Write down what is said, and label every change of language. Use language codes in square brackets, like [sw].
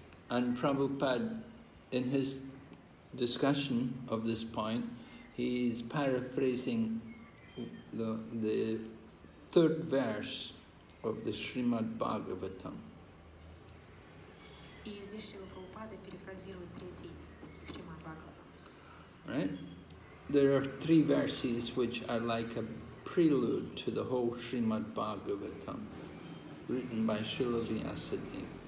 [en] And Prabhupada, in his discussion of this point, he is paraphrasing the third verse of the Srimad Bhagavatam. [ru] И здесь Шрила Прабхупада перефразирует третий стих Шримад-Бхагаватам. [en] Right? There are three verses which are like a prelude to the whole Srimad-Bhagavatam, written by Шрила Вьясадева.